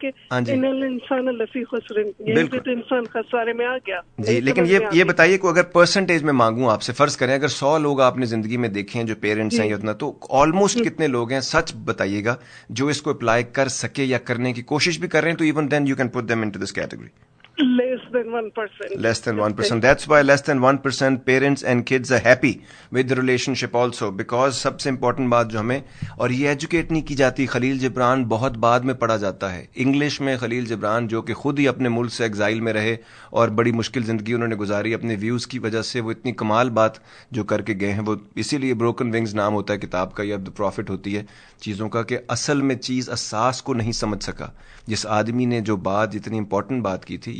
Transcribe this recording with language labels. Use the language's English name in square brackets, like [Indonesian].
[Arabic] انسان لفی خسرن, [Urdu] یہیں پہ تو انسان خسارے میں آ گیا. جی لیکن یہ بتائیے کہ اگر پرسنٹیج میں مانگوں آپ سے, فرض کریں اگر 100 لوگ آپ نے زندگی میں دیکھے ہیں جو پیرنٹس ہیں, یا اتنا, تو آلموسٹ کتنے لوگ ہیں سچ بتائیے گا جو اس کو اپلائی کر سکے یا کرنے کی کوشش بھی کر رہے ہیں, تو [English] Even then you can put them into this category. Less than 1%. That's why less than 1% parents and kids are happy with the relationship also. [Urdu] Because سب سے امپورٹنٹ بات جو ہمیں, اور یہ ایجوکیٹ نہیں کی جاتی, خلیل جبران بہت بعد میں پڑھا جاتا ہے انگلش میں. خلیل جبران جو کہ خود ہی اپنے ملک سے ایگزائل میں رہے اور بڑی مشکل زندگی انہوں نے گزاری اپنے ویوز کی وجہ سے, وہ اتنی کمال بات جو کر کے گئے ہیں, وہ اسی لیے بروکن ونگز نام ہوتا ہے کتاب کا, یا دا پروفٹ ہوتی ہے چیزوں کا, کہ اصل میں چیز اساس کو نہیں سمجھ سکا جس آدمی نے جو بات اتنی امپورٹنٹ بات کی تھی.